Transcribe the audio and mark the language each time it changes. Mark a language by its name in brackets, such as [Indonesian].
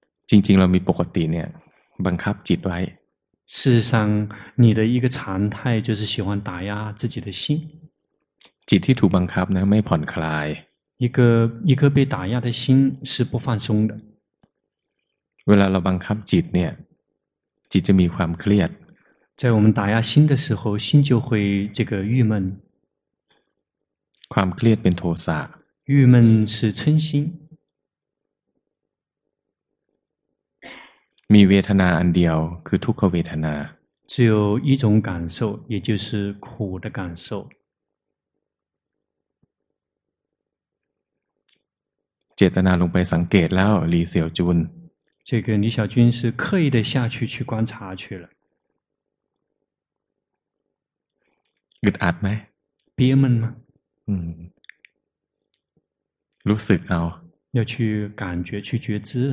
[Thai] จริงๆเรามีปกติเนี่ยบังคับจิตไว้ [Chinese] 事实上你的一个常态就是喜欢打压自己的心 [Thai] จิตที่ถูกบังคับนะไม่ผ่อนคลาย [Chinese] 一个被打压的心是不放松的 [Thai] เวลาเราบังคับจิตเนี่ยจิตจะมีความเครียด [Chinese] 在我们打压心的时候心就会这个郁闷 [Thai] ความเครียดเป็นโทสะ [Chinese] 郁闷是嗔心 [Thai] มีเวทนาอันเดียวคือทุกขเวทนา [Chinese] 只有一种感受也就是苦的感受 [Thai] เจตนาลงไปสังเกตแล้วหลี่เสี่ยวจุน [Chinese] 这个李小军是刻意的下去去观察去了 [Thai] อึดอัดไหม [Chinese] 憋闷吗 [Thai] รู้สึกเอา [Chinese] 要去感觉去觉知